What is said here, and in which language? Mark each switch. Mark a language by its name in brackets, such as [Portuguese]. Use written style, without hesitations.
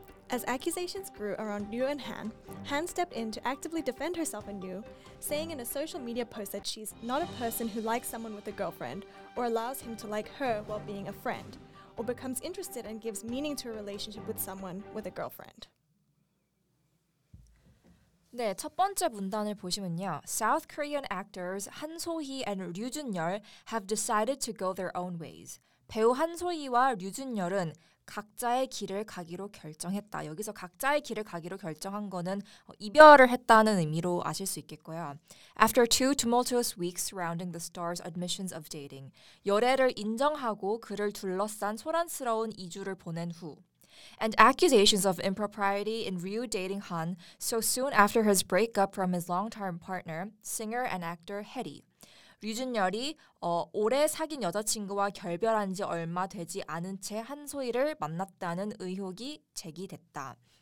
[English] As accusations grew around Ryu and Han, Han stepped in to actively defend herself and Ryu, saying in a social media post that she's not a person who likes someone with a girlfriend or allows him to like her while being a friend, or becomes interested and gives meaning to a relationship with someone with a girlfriend. [Korean] 네, 첫 번째 문단을 보시면요. [English] South Korean actors Han So-hee and Ryu Jun-yeol have decided to go their own ways. [Korean] 배우 한소희와 류준열은 각자의 길을 가기로 결정했다. 여기서 각자의 길을 가기로 결정한 거는 이별을 했다는 의미로 아실 수 있겠고요. [English] After 2 tumultuous weeks surrounding the star's admissions of dating. [Korean] 열애를 인정하고 그를 둘러싼 소란스러운 2주를 보낸 후. [English] And accusations of impropriety in Ryu dating Han so soon after his breakup from his long-term partner, singer and actor Haeri. [Korean] 류준열이 오래 사귄 여자친구와 결별한 지 얼마 되지 않은 채 한소희를 만났다는 의혹이 제기됐다.